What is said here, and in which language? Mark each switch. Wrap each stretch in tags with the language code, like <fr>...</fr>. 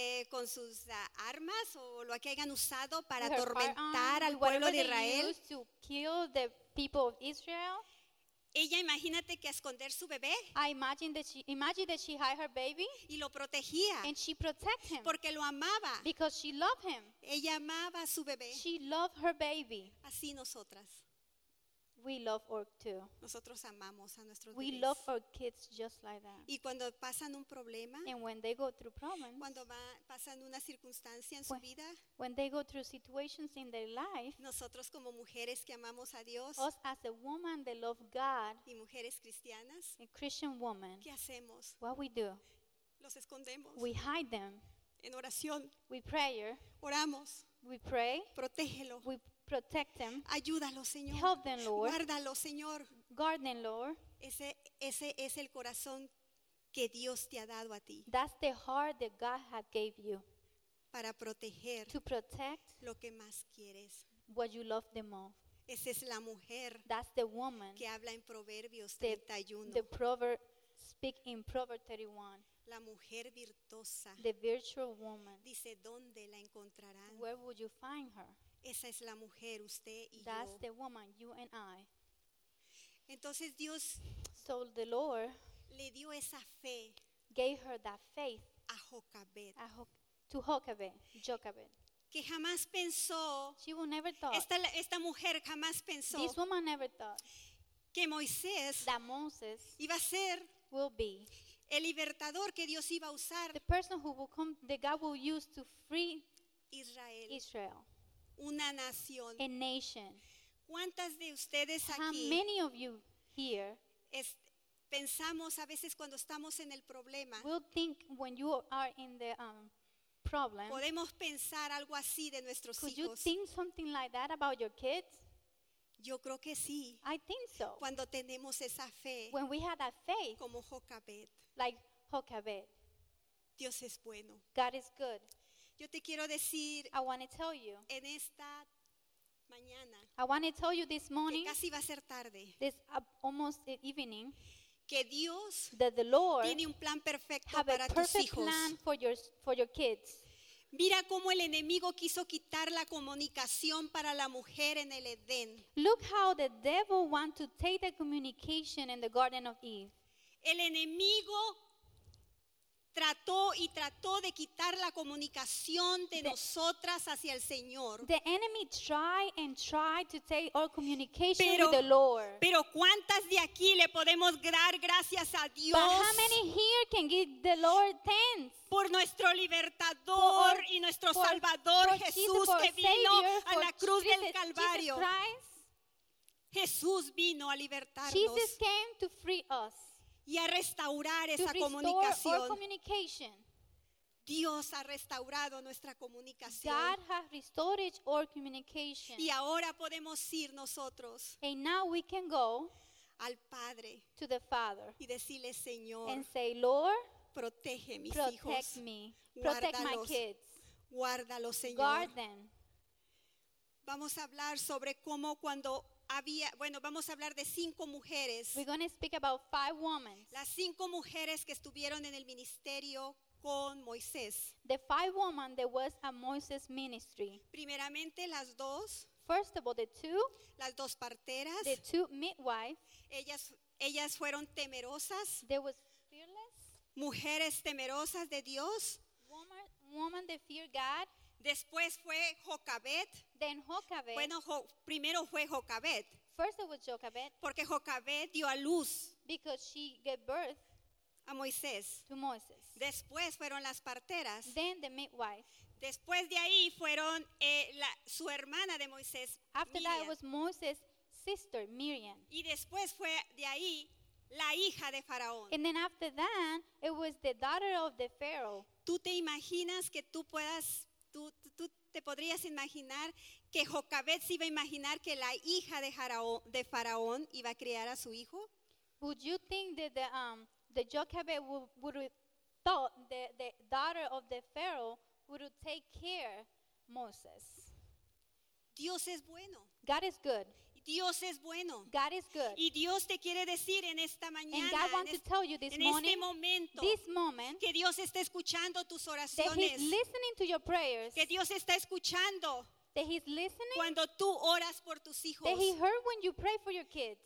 <es>Con sus armas o lo que hayan usado para atormentar al pueblo de Israel.</es> <en>Whatever they used to kill the people of Israel.</en> <es>Ella imagínate que esconder su bebé.</es> <en>Imagine that she hid her baby.</en> <es>Y lo protegía.</es> <en>And she protected him.</en> <es>Porque lo amaba.</es> <en>Because she loved him.</en> <es>Ella amaba a su bebé.</es> <en>She loved her baby.</en> <es>Así nosotras.</es> <en>We love our too.</en> <es>Nosotros amamos a nuestros</es> <en>we</en> <es>bebés.</es> <en>We love our kids just like that.</en> <es>Y cuando pasan un problema.</es> <en>And when they go through problems.</en> <es>Cuando pasan una circunstancia en su vida.</es> <en>When they go through situations in their life.</en> <es>Nosotros como mujeres que amamos a Dios.</es> <en>Us as a woman that love God.</en> <es>Y mujeres cristianas.</es> <en>A Christian woman.</en> <es>¿Qué hacemos?</es> <en>What we do.</en> <es>Los escondemos.</es> <en>We hide them.</en> <es>En oración.</es> <en>We prayer.</en> <es>Oramos.</es> <en>We pray.</en> <es>Protégelo.</es> <en>We protect them.</en> <es>Ayúdalo, Señor.</es> <en>Help them, Lord.</en> <es>Guárdalo, Señor.</es> <en>Guard them, Lord.</en> <es>Ese es el corazón que Dios te ha dado a ti.</es> <en>That's the heart that God has gave you.</en> <es>Para proteger.</es> <en>To protect.</en> <es>Lo que más quieres.</es> <en>What you love the most.</en> <es>Esa es la mujer.</es> <en>That's the woman.</en> <es>Que habla en Proverbios 31.</es> <en>The proverb speak in Proverbs 31.</en> <es>La mujer virtuosa.</es> <en>The virtual woman.</en> <es>Dice, ¿dónde la encontrarán?</es> <en>Where would you find her?</en> <es>Esa es la mujer, usted y</es> <en>that's</en> <es>yo.</es> <en>That's the woman, you and I.</en> <es>Entonces Dios.</es> <en>So the Lord.</en> <es>Le dio esa fe.</es> <en>Gave her that faith.</en> <es>A Jocabet.</es> <en>To Jocabet. Jocabet.</en> <es>Que jamás pensó.</es> <en>She will never thought.</en> <es>Esta mujer jamás pensó.</es> <en>This woman never thought.</en> <es>Que Moisés.</es> <en>That Moses.</en> <es>Iba a ser.</es> <en>Will be.</en> <es>El libertador que Dios iba a usar.</es> <en>The person who will come, that God will use to free.</en> <es>Israel.</es> <en>Israel.</en> <es>Una nación.</es> <en>A nation.</en> <es>¿Cuántas de ustedes aquí?</es> <en>How many of you here?</en> <es>Pensamos a veces cuando estamos en el problema.</es> <en>We'll think when you are in the problem.</en> <es>Podemos pensar algo así de nuestros</es> <en>could</en> <es>hijos.</es> <en>Could you think something like that about your kids?</en> <es>Yo creo que sí.</es> <en>I think so.</en> <es>Cuando tenemos esa fe.</es> <en>When we have that faith.</en> <es>Como Jocabet.</es> <en>Like Jocabet.</en> <es>Dios es bueno.</es> <en>God is good.</en> <es>Yo te quiero decir,</es> <en>I want to tell you,</en> <es>en esta mañana.</es> <en>I want to tell you this morning.</en> <es>Que casi va a ser tarde.</es> <en>This almost evening.</en> <es>Que Dios</es> <en>that the Lord</en> <es>tiene un plan perfecto</es> <en>have</en> <es>para</es> <en>a perfect</en> <es>tus hijos.</es> <en>Plan for your kids.</en> <es>Mira cómo el enemigo quiso quitar la comunicación para la mujer en el Edén.</es> <en>Look how the devil want to take the communication in the Garden of Eve.</en> <es>El enemigo trató y trató de quitar la comunicación de nosotras hacia el Señor.</es> <en>The enemy tried and tried to take our communication with the Lord.</en> <es>Pero ¿cuántas de aquí le podemos dar gracias a Dios?</es> <en>But how many here can give the Lord thanks?</en> <es>Por nuestro libertador y nuestro Salvador Jesús que vino a la cruz del Calvario. Jesús vino a libertarnos.</es> <en>Jesus came to free us.</en> <es>Y a restaurar esa comunicación.</es> <en>Our communication.</en> <es>Dios ha restaurado nuestra comunicación.</es> <en>God has restored our communication.</en> <es>Y ahora podemos ir nosotros.</es> <en>And now we can go</en> <es>al Padre.</es> <en>To the Father.</en> <es>Y decirle, Señor.</es> <en>And say, Lord,</en> <es>protege mis</es> <en>protect</en> <es>hijos.</es> <en>Me. Protect my kids.</en> <es>Guárdalo, Señor.</es> <en>Guard them.</en> <es>Vamos a hablar sobre cómo cuando había, bueno, vamos a hablar de cinco mujeres.</es> <en>We're going to speak about five women.</en> <es>Las cinco mujeres que estuvieron en el ministerio con Moisés.</es> <en>The five women that was at Moses' ministry.</en> <es>Primeramente, las dos.</es> <en>First of all, the two.</en> <es>Las dos parteras.</es> <en>The two midwives.</en> <es>Ellas fueron temerosas.</es> <en>They were fearless.</en> <es>Mujeres temerosas de Dios.</es> <en>Woman that feared God.</en> <es>Después fue Jocabet.</es> <en>Then Jocabet.</en> <es>Bueno, primero fue Jocabet.</es> <en>First it was Jocabet.</en> <es>Porque Jocabet dio a luz.</es> <en>Because she gave birth.</en> <es>A Moisés.</es> <en>To Moses.</en> <es>Después fueron las parteras.</es> <en>Then the midwife.</en> <es>Después de ahí fueron su hermana de Moisés.</es> <en>After Miriam. That it was Moses' sister Miriam.</en> <es>Y después fue de ahí la hija de Faraón.</es> <en>And then after that it was the daughter of the Pharaoh.</en> <es>¿Tú te imaginas que tú puedas Tú te podrías imaginar que Jocabet se iba a imaginar que la hija de Faraón iba a criar a su hijo?</es> <en>Would you think that the Jocabet would thought that the daughter of the Pharaoh would take care Moses?</en> <es>Dios es bueno.</es> <en>God is good.</en> <es>Dios es bueno.</es> <en>God is good.</en> <es>Y Dios te quiere decir en esta mañana,</es> <en>and God wants to tell you this morning,</en> <es>este momento,</es> <en>this moment,</en> <es>que Dios está escuchando tus oraciones,</es> <en>that he's listening to your prayers,</en> <es>que Dios está escuchando,</es> <en>that he's listening,</en> <es>cuando tú oras por tus hijos,</es> <en>that he heard when you pray for your kids.</en>